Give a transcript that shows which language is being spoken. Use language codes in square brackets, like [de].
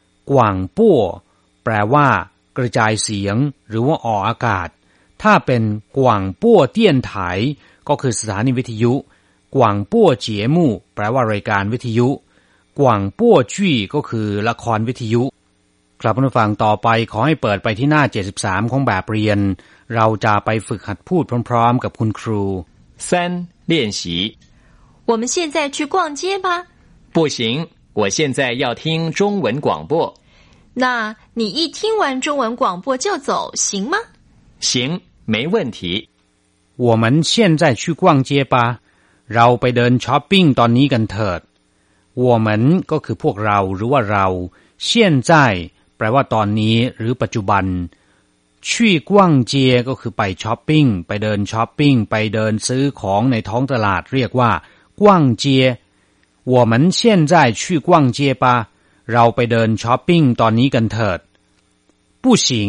[th] กว่างปั่วแปลว่ากระจายเสียงหรือว่าออกอากาศถ้าเป็นกว่างปั่วเตี้ยนไถก็คือสถานีวิทยุกว่างปั่วเจียมู่แปลว่ารายการวิทยุกว่างปั่วจี้ก็คือละครวิทยุครับผู้ฟังต่อไปขอให้เปิดไปที่หน้า73ของแบบเรียนเราจะไปฝึกหัดพูดพร้อมๆกับคุณครู [zh] 三练习我们现在去逛街吧不行我现在要听中文广播那你一听完中文广播就走行吗行没问题我们现在去逛街吧 [th] เราไปเดินช้อปปิ้งตอนนี้กันเถิด我们ก็คือพวกเราหรือว่าเราเซียนใจแปลว่าตอนนี้หรือปัจจุบันชุยกว้างเจียก็คือไปช้อปปิ้งไปเดินช้อปปิ้งไปเดินซื้อของในท้องตลาดเรียกว่ากว้างเจีย我们现在去逛街吧เราไปเดินช้อปปิ้งตอนนี้กันเถิด [zh] 不行